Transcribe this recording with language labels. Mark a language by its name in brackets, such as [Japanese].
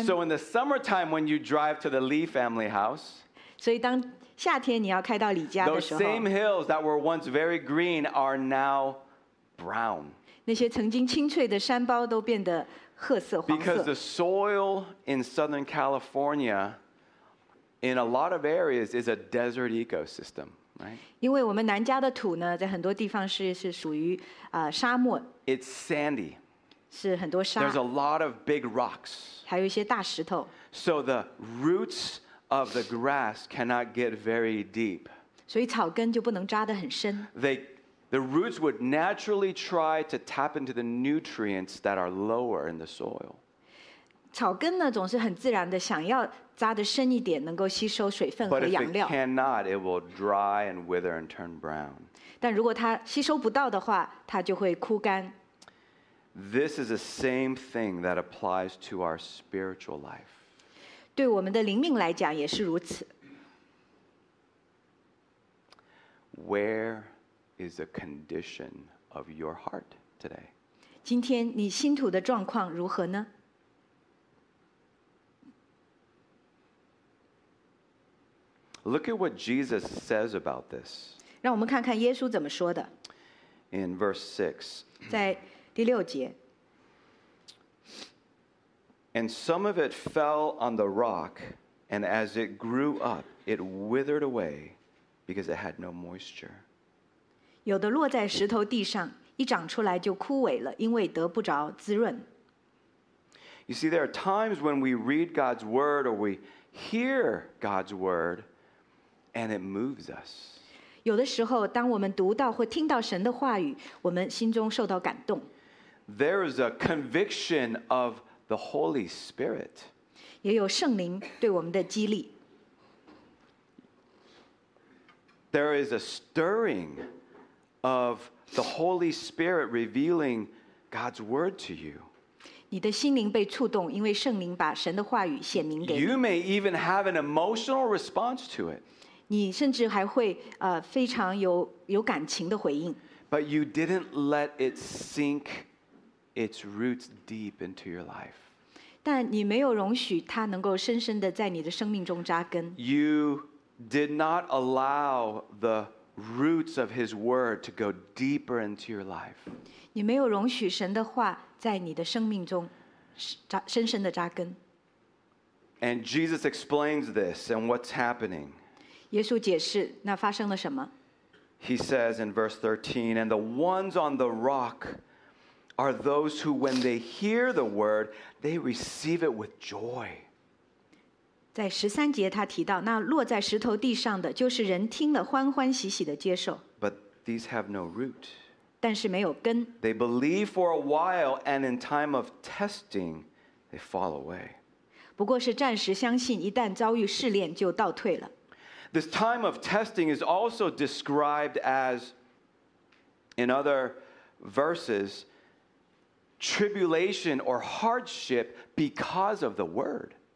[English] So in the summertime, when you drive to the Lee family house, [Chinese] 所以当夏天你要开到李家的时候， [English] those same hills that were once very green are now brown. [Chinese] 那些曾经青翠的山包都变得褐色黄色。 [English] Because the soil in Southern California. In a lot of areas is a desert ecosystem, right? [Chinese] 因为我们南加的土呢，在很多地方是属于沙漠。 [English] It's sandy. [Chinese] 是很多沙。 [English] There's a lot of big rocks. [Chinese] 还有一些大石头。 [English] So the roots of the grass cannot get very deep. [Chinese] 所以草根就不能扎得很深。 [English] The roots would naturally try to tap into the nutrients that are lower in the soil. [Chinese] 草根呢总是很自然的想要扎得深一点能够吸收水分和养料。 [English] But if it cannot, it will dry and wither and turn brown. [Chinese] 但如果它吸收不到的话它就会枯干。 [English] This is the same thing that applies to our spiritual life. [Chinese] 对我们的灵命来讲也是如此。 [English] Where is the condition of your heart today? [Chinese] 今天你心土的状况如何呢？ [English] Look at what Jesus says about this. [Chinese] 让我们看看耶稣怎么说的。 [English] In verse 6. [Chinese] 在第六节。 [English] And some of it fell on the rock, and as it grew up, it withered away because it had no moisture. [Chinese] 有的落在石头地上，一长出来就枯萎了，因为得不着滋润。 [English] You see, there are times when we read God's word or we hear God's word,And it moves us. [Chinese] 有的时候，当我们读到或听到神的话语，我们心中受到感动。 [English] There is a conviction of the Holy Spirit. [Chinese] 也有圣灵对我们的激励。 [English] There is a stirring of the Holy Spirit revealing God's word to you. [Chinese] 你的心灵被触动，因为圣灵把神的话语显明给你。 [English] You may even have an emotional response to it. [Chinese] 你甚至还会非常有感情的回应。 [English] But you didn't let it sink its roots deep into your life. [Chinese] 但你没有容许它能够深深的在你的生命中扎根。 [English] You did not allow the roots of His Word to go deeper into your life. [Chinese] 你没有容许神的话在你的生命中深深的扎根。 [English] And Jesus explains this and what's happening. [Chinese] 耶稣解释那发生了什么。 [English] He says in verse 13, And the ones on the rock are those who, when they hear the word, they receive it with joy. [Chinese] 在十三节他提到，那落在石头地上的，就是人听了欢欢喜喜的接受。 [English] But these have no root. [Chinese] 但是没有根。 [English] They believe for a while, and in time of testing, they fall away. [Chinese] 不过是暂时相信，一旦遭遇试炼就倒退了。 [English] This time of testing is also described as, in other verses, tribulation or hardship because of the word.